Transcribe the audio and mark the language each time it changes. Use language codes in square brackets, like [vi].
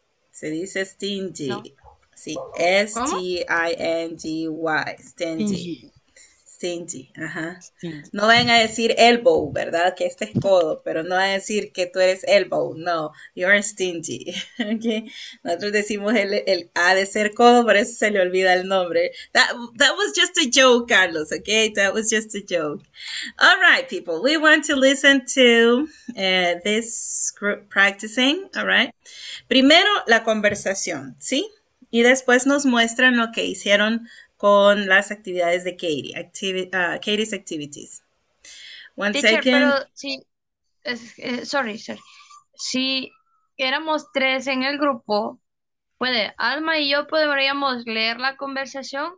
[es] Se dice stingy. No. Sí, S-T-I-N-G-Y, stingy. Stingy, ajá. No van a decir elbow, ¿verdad? Que este es codo, pero no van a decir que tú eres elbow, no. [en] You're stingy, [es] ¿ok? Nosotros decimos el ha de ser codo, por eso se le olvida el nombre. [en] That was just a joke, Carlos, ¿ok? That was just a joke. All right, people, we want to listen to this group practicing, all right? [es] Primero, la conversación, ¿sí? Y después nos muestran lo que hicieron con las actividades de Katie, Katie's activities. [en] One teacher, second. Sorry. [es] Si éramos tres en el grupo, puede Alma y yo podríamos leer la conversación.